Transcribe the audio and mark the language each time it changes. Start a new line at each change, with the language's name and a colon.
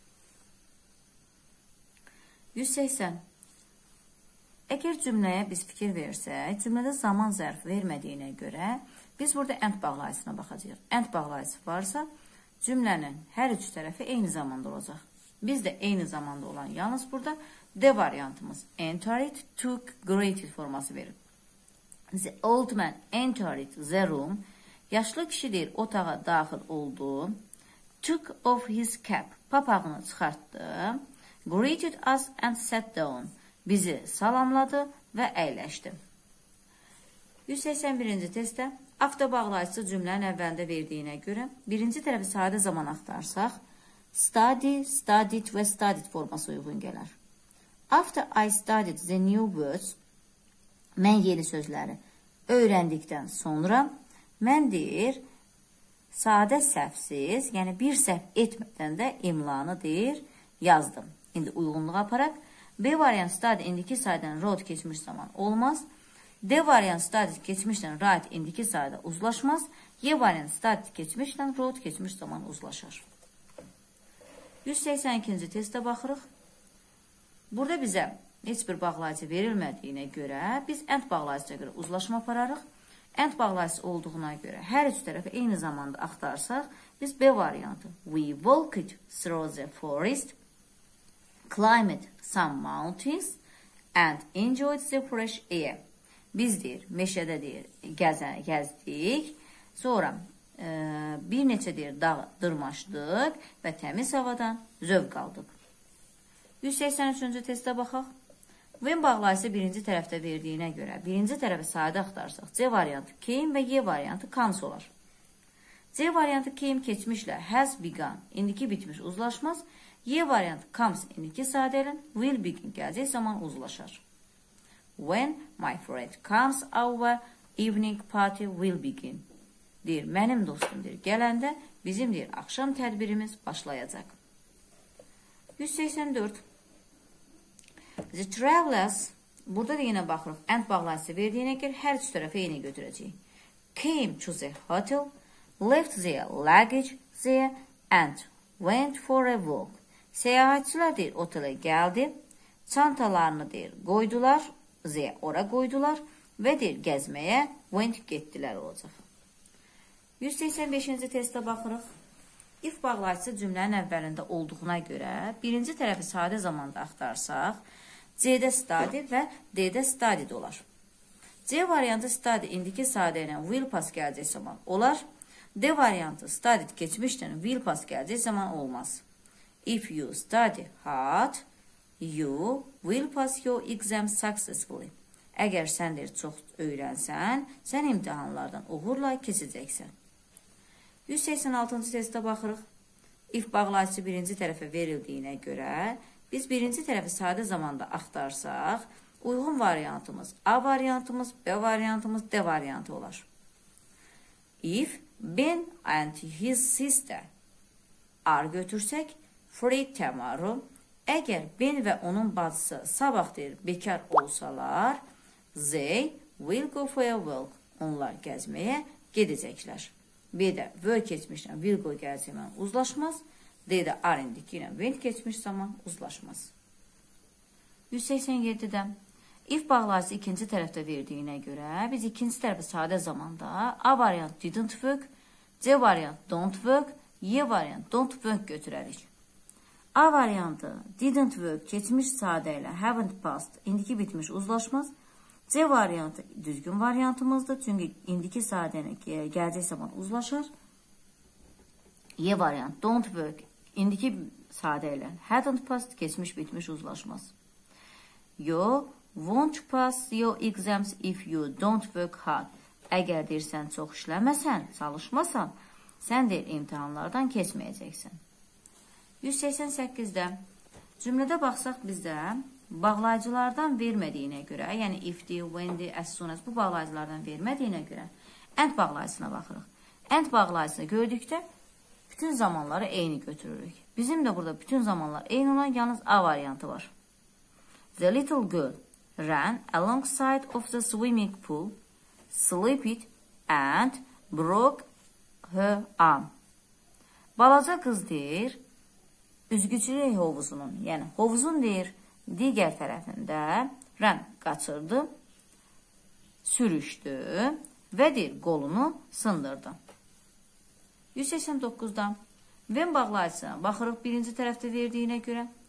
Azerbaijani: 180. Əgər cümləyə biz fikir versək, cümlədə zaman zərf vermədiyinə görə biz burada and bağlayıcısına baxacağıq. And bağlayıcısı varsa cümlənin hər üç tərəfi eyni zamanda olacaq. Biz də eyni zamanda olan yalnız burada D variantımız entered, took, greeted forması verir.
English: The old man entered the room.
Azerbaijani: Yaşlı kişi deyir otağa daxil oldu.
English: Took off his cap.
Azerbaijani: Papağını çıxartdı.
English: Greeted us and sat down.
Azerbaijani: Bizi salamladı və əyləşdi. 181-ci testdə after bağlayıcı cümlənin əvvəlində verdiyinə görə birinci tərəfi sadə zaman axtarsaq study, studied və studied forması uyğun gələr.
English: After I studied the new words,
Azerbaijani: mən yeni sözləri öyrəndikdən sonra mən deyir sadə səhvsiz, yəni bir səhv etmədən də imlanı deyir yazdım. İndi uyğunluğa aparaq. B variant study indiki saydan road keçmiş zaman olmaz. D variant study keçmişdən right indiki sayda uzlaşmaz. Y variant study keçmişdən road keçmiş zaman uzlaşar. 182-ci testə baxırıq. Burada bizə heç bir bağlayıcı verilmədiyinə görə biz and bağlayıcıya görə uzlaşma apararıq. And bağlayıcı olduğuna görə hər üç tərəfi eyni zamanda axtarsaq biz B variantı
English: we walked through the forest, climbed some mountains and enjoyed the fresh air.
Azerbaijani: Biz deyir, meşədə deyir, gəzdik. Sonra bir neçə deyir, dağ dırmaşdıq və təmiz havadan zövq aldıq. 183-cü testə baxaq. When bağlayıcı birinci tərəfdə verdiyinə görə, birinci tərəfi sadə axtarsaq, C variantı came və Y variantı comes olar. C variantı came keçmişlə has begun, indiki bitmiş uzlaşmaz. Y variantı comes indiki sadə ilə will begin gəlcək zaman uzlaşar.
English: When my friend comes our evening party will begin.
Azerbaijani: Deyir, mənim dostum deyir, gələndə bizim deyir, axşam tədbirimiz başlayacaq. 184.
English: The travelers,
Azerbaijani: burada da yenə baxırıq, and bağlayıcı verdiyinə görə hər üç tərəfə eyni götürəcək.
English: Came to the hotel, left their luggage there and went for a walk.
Azerbaijani: Səyahatçılar deyir, otelə gəldi, çantalarını deyir, qoydular, there ora qoydular və deyir, gəzməyə went getdilər olacaq. 185-ci testə baxırıq. If bağlayıcı cümlənin əvvəlində olduğuna görə birinci tərəfi sadə zamanda axtarsaq, C-də study və D-də studied olar. C variantı study indiki sadə ilə will pass gələcək zaman olar. D variantı studied keçmişdən will pass gələcək zaman olmaz.
English: If you study hard, you will pass your exam successfully.
Azerbaijani: Əgər sən deyir çox öyrənsən, sən imtihanlardan uğurla keçəcəksən. 186-cı testə baxırıq. If bağlayıcı birinci tərəfə verildiyinə görə biz birinci tərəfi sadə zamanda axtarsaq, Uyğun variantımız A variantımız, B variantımız D variantı olar.
English: If Ben and his sister are
Azerbaijani: götürsək,
English: free tomorrow.
Azerbaijani: Əgər Ben və onun bacısı sabah deyir bekar olsalar,
English: they will go for a walk.
Azerbaijani: Onlar gəzməyə gedəcəklər. B-də were keçmişdən will go gəzməyə uzlaşmaz. D-də are indiki ilə will keçmiş zaman uzlaşmaz. 187-də If bağlayıcı ikinci tərəfdə verdiyinə görə, biz ikinci tərəfi sadə zamanda A variant didn't work, C variant don't work, Y variant don't work götürərik. A variantı didn't work keçmiş sadə ilə haven't passed, indiki bitmiş uzlaşmaz. C variantı düzgün variantımızdır, çünki indiki sadə ilə gələcək zaman uzlaşar. Y variant don't work, indiki sadə ilə haven't passed, keçmiş bitmiş uzlaşmaz.
English: Won't pass your exams if you don't work hard.
Azerbaijani: Əgər deyirsən, çox işləməsən, çalışmasan, sən deyir, imtihanlardan keçməyəcəksən. 188-də cümlədə baxsaq bizdə bağlayıcılardan vermədiyinə görə, yəni if, when, as soon as bu bağlayıcılardan vermədiyinə görə and bağlayıcısına baxırıq. And bağlayıcısını gördükdə bütün zamanları eyni götürürük. Bizim də burada bütün zamanlar eyni olan yalnız A variantı var.
English: The little girl ran alongside of the swimming pool, slipped and broke her arm.
Azerbaijani: Balaca kız deyir, üzgüçülü hovuzunun, yəni hovuzun deyir, digər tərəfində ran qaçırdı, sürüşdü və deyir, qolunu sındırdı. 189-da ven bağlayıcısına baxırıq birinci tərəfdə verdiyinə görə.